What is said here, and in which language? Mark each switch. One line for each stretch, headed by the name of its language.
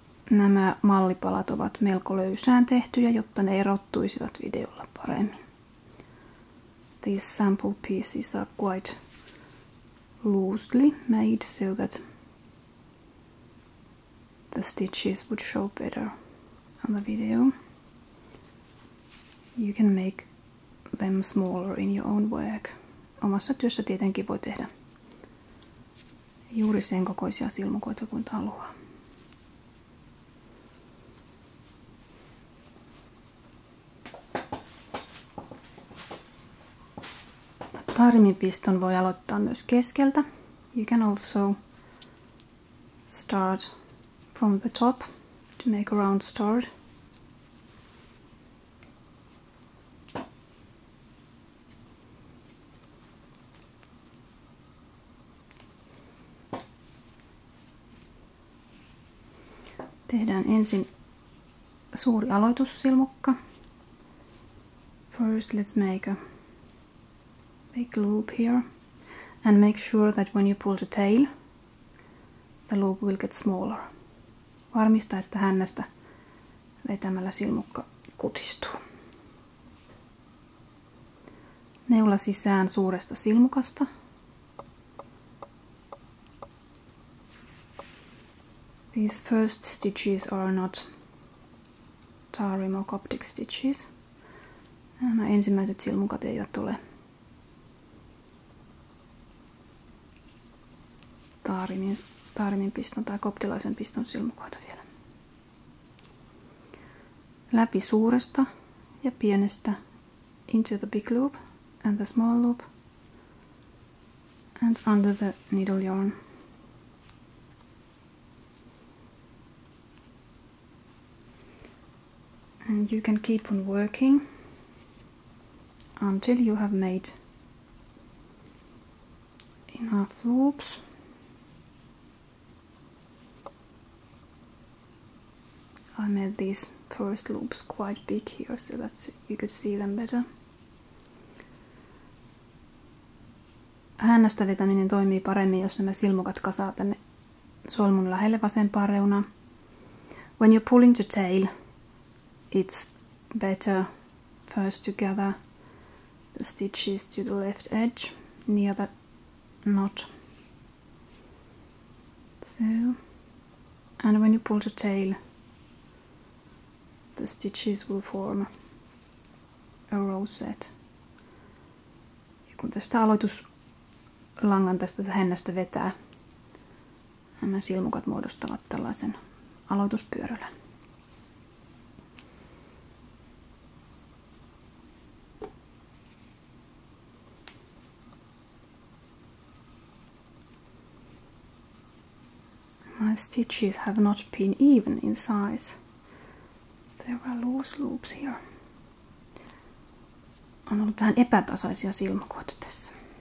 Finnish: Nämä mallipalat ovat melko löysään tehtyjä, jotta ne erottuisivat videolla paremmin.
English: These sample pieces are quite loosely made so that the stitches would show better on the video. You can make them smaller in your own work.
Finnish: Omassa työssä tietenkin voi tehdä juuri sen kokoisia silmukoita kuin haluaa. Tarimin piston voi aloittaa myös keskeltä.
English: You can also start from the top to make a round start.
Finnish: Tehdään ensin suuri aloitussilmukka.
English: First let's make a big loop here, and make sure that when you pull the tail, the loop will get smaller.
Finnish: Varmista, että hännästä vetämällä silmukka kutistuu. Neula sisään suuresta silmukasta.
English: These first stitches are not Tarim or Coptic stitches.
Finnish: Nämä ensimmäiset silmukat eivät ole Tarimin piston tai koptilaisen piston silmukoita vielä. Läpi suuresta ja pienestä,
English: into the big loop and the small loop, and under the needle yarn. And you can keep on working until you have made enough loops. I made these first loops quite big here, so that you could see them better.
Finnish: Hännästä vetäminen toimii paremmin, jos nämä silmukat kasaa tänne solmun lähelle vasempaan reunaan.
English: When you're pulling the tail, it's better first to gather the stitches to the left edge, near the knot. So, and when you pull the tail, the stitches will form a rosette.
Finnish: Ja kun tästä aloituslangan tästä hännästä vetää, nämä silmukat muodostavat tällaisen aloituspyörällä.
English: My stitches have not been even in size. There are loose loops here.
Finnish: On ollut vähän epätasaisia silmukoita tässä.